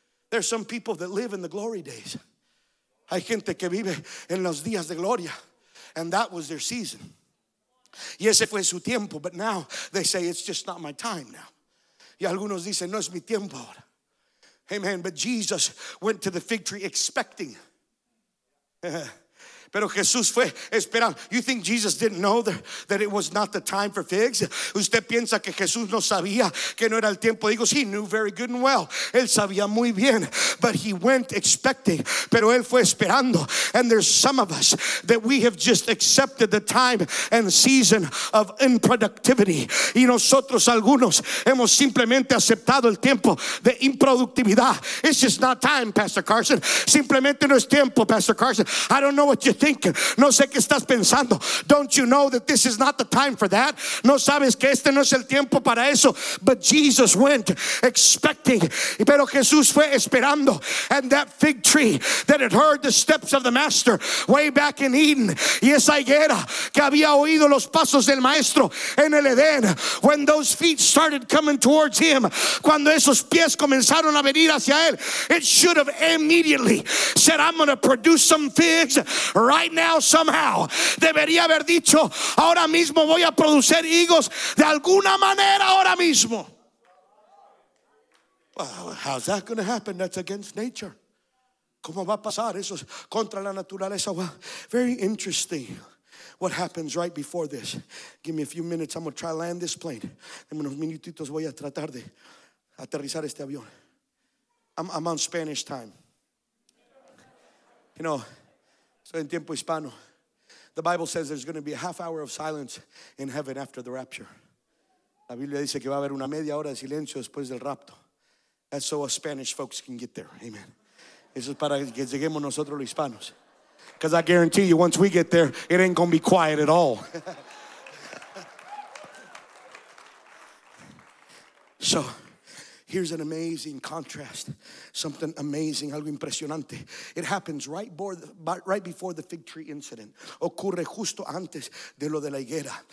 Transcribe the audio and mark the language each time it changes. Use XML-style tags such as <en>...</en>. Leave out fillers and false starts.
<en>There's some people that live in the glory days.</en> <es>Hay gente que vive en los días de gloria,</es> <en>and that was their season.</en> <es>Y ese fue su tiempo,</es> <en>but now they say it's just not my time now.</en> <es>Y algunos dicen, no es mi tiempo ahora. Amen.</es> <en>But Jesus went to the fig tree expecting.</en> <es>Pero Jesús fue esperando.</es> <en>You think Jesus didn't know that it was not the time for figs?</en> <es>¿Usted piensa que Jesús no sabía que no era el tiempo?</es> <en>Digo, he knew very good and well.</en> <es>Él sabía muy bien.</es> <en>But he went expecting.</en> <es>Pero él fue esperando.</es> <en>And there's some of us that we have just accepted the time and season of improductivity.</en> <es>Y nosotros algunos hemos simplemente aceptado el tiempo de improductividad.</es> <en>It's just not time, Pastor Carson.</en> <es>Simplemente no es tiempo,</es> <en>Pastor Carson. I don't know what you're thinking.</en> <es>No sé qué estás pensando.</es> <en>Don't you know that this is not the time for that?</en> <es>No sabes que este no es el tiempo para eso.</es> <en>But Jesus went expecting.</en> <es>Pero Jesús fue esperando.</es> <en>And that fig tree that had heard the steps of the master way back in Eden.</en> <es>Y esa higuera que había oído los pasos del maestro en el Edén.</es> <en>When those feet started coming towards him.</en> <es>Cuando esos pies comenzaron a venir hacia él.</es> <en>It should have immediately said, I'm going to produce some figs. Right now, somehow,</en> <es>debería haber dicho, ahora mismo voy a producir higos de alguna manera ahora mismo.</es> <en>Well, how's that going to happen? That's against nature.</en> <es>¿Cómo va a pasar eso contra la naturaleza?</es> <en>Well, very interesting what happens right before this. Give me a few minutes. I'm going to try to land this plane.</en> <es>En unos minutitos voy a tratar de aterrizar este avión.</es> <en>I'm on Spanish time. You know, so in</en> <es>tiempo hispano,</es> <en>the Bible says there's going to be a half hour of silence in heaven after the rapture.</en> <es>La Biblia dice que va a haber una media hora de silencio después del rapto.</es> <en>That's so us Spanish folks can get there. Amen.</en> <es>Eso es para que lleguemos nosotros los hispanos.</es> <en>Because I guarantee you, once we get there, it ain't going to be quiet at all. So Here's an amazing contrast. Something amazing,</en> <es>algo impresionante.</es> <en>It happens right before the fig tree incident.</en> <es>Ocurre justo antes de lo de la higuera.</es>